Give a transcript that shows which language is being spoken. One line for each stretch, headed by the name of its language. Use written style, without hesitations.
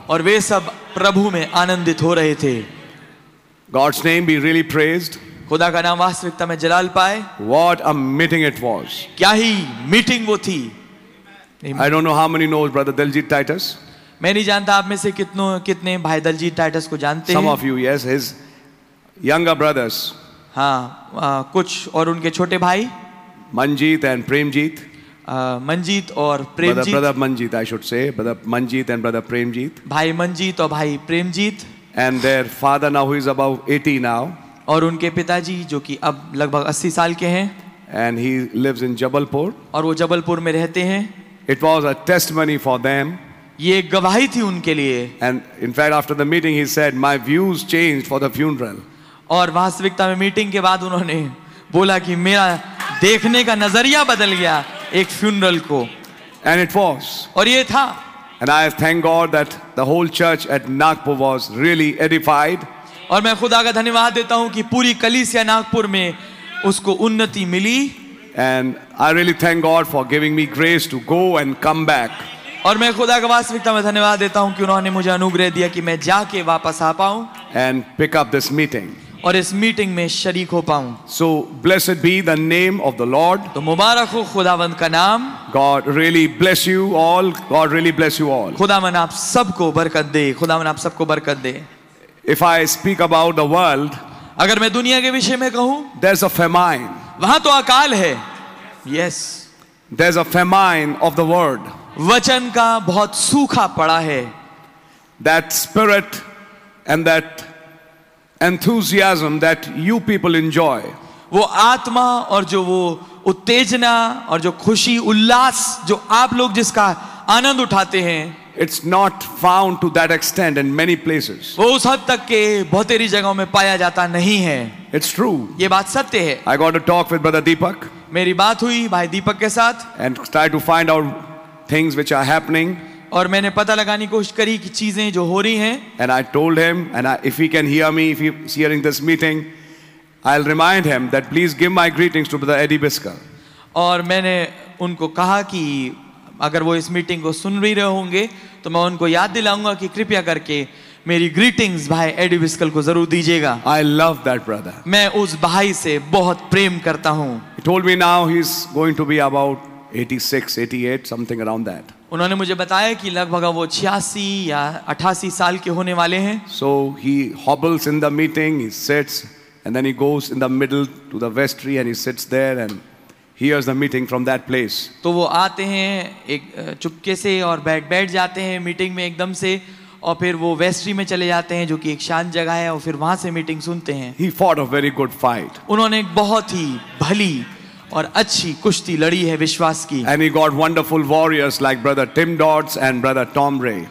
Hindi: और वे सब प्रभु में आनंदित हो रहे थे.
English: God's name be really praised.
Hindi: खुदा का नाम वास्तविकता में जलाल पाए.
English: What a meeting it was.
Hindi: क्या ही मीटिंग वो थी.
English: I don't know how many knows brother Diljit Titus.
Hindi: मैं नहीं जानता आप में से कितने भाई दलजीत टाइटस को जानते
English: हैं. Some of you, yes, his younger brothers.
Hindi: हाँ, कुछ और उनके छोटे भाई. मंजीत एंड प्रेमजीत. मंजीत और Premjit.
English: Brother Manjit, I should say, brother Manjit and brother Premjit.
Hindi: भाई मंजीत और भाई Premjit.
English: And their father now, who is above 80 now.
Hindi: और उनके पिताजी जो कि अब लगभग 80 साल के हैं.
English: And he lives in Jabalpur.
Hindi: और वो जबलपुर में रहते हैं.
English: It was a testimony for them.
Hindi: ये गवाही थी उनके लिए.
English: And in fact, after the meeting, he said, "My views changed for the funeral."
Hindi: और वास्तविकता में मीटिंग के बाद उन्होंने बोला कि मेरा देखने का नजरिया बदल गया एक फ्यूनरल को.
English: And it was.
Hindi: और ये था.
English: And I thank God that the whole church at Nagpur was really edified.
Hindi: और मैं खुदा का धन्यवाद देता हूँ कि पूरी कलीसिया नागपुर में उसको उन्नति मिली.
English: And I really thank God for giving me grace to go and come back.
Hindi: और मैं खुदा का वास्तविकता में धन्यवाद देता हूँ कि उन्होंने मुझे अनुग्रह दिया कि मैं जाके वापस आ पाऊँ.
English: And pick up this meeting.
Hindi: और इस मीटिंग में शरीक हो पाऊँ.
English: So blessed be the name of the Lord.
Hindi: तो मुबारक हो खुदावंद का नाम.
English: God really bless you all. God really bless you all.
Hindi: खुदावंद आप सबको बरकत दे. खुदावंद आप सबको बरकत दे.
English: If I speak about the world,
Hindi: अगर मैं दुनिया के विषय में कहूँ,
English: there's a famine.
Hindi: वहाँ तो अकाल है. Yes.
English: There's a famine of the word.
Hindi: वचन का बहुत सूखा पड़ा है.
English: That spirit and that enthusiasm that you people enjoy.
Hindi: वो आत्मा और जो वो उत्तेजना और जो खुशी उल्लास जो आप लोग जिसका आनंद उठाते हैं.
English: It's not found to that extent in many places.
Hindi: वो उस हद तक के बहुत सारी जगहों में पाया जाता नहीं है.
English: It's true.
Hindi: ये बात सत्य है.
English: I got to talk with brother Deepak.
Hindi: मेरी बात हुई भाई दीपक के साथ.
English: And try to find out things which are happening.
Hindi: और मैंने पता लगाने की कोशिश करी कि चीजें जो हो रही हैं.
English: And I told him, and I, if he can hear me, if he's hearing this meeting, I'll remind him that please give my greetings to brother Eddie Biscar.
Hindi: और मैंने उनको कहा कि अगर वो इस मीटिंग को सुन भी रहे होंगे तो मैं उनको याद दिलाऊंगा कि कृपया करके मेरी ग्रीटिंग्स भाई एडी विस्कल को जरूर दीजिएगा.
English: I love that brother.
Hindi: मैं उस भाई से बहुत प्रेम करता हूँ.
English: He told me now he's going to be about 86, 88, something around that.
Hindi: उन्होंने मुझे बताया कि लगभग वो 86 या 88 साल के होने वाले हैं.
English: So he hobbles in the meeting, he sits, and then he goes in the middle to the vestry and he sits there and hears the meeting from that place.
Hindi: तो वो आते हैं एक चुपके से और बैठ जाते हैं मीटिंग में एकदम से और फिर वो वेस्ट्री में चले जाते हैं जो कि एक शांत जगह है और फिर वहां से मीटिंग सुनते हैं.
English: He fought a very good fight.
Hindi: उन्होंने एक बहुत ही भली और अच्छी कुश्ती लड़ी है विश्वास की.
English: And he got wonderful warriors like brother Tim Dodds and brother Tom Ray.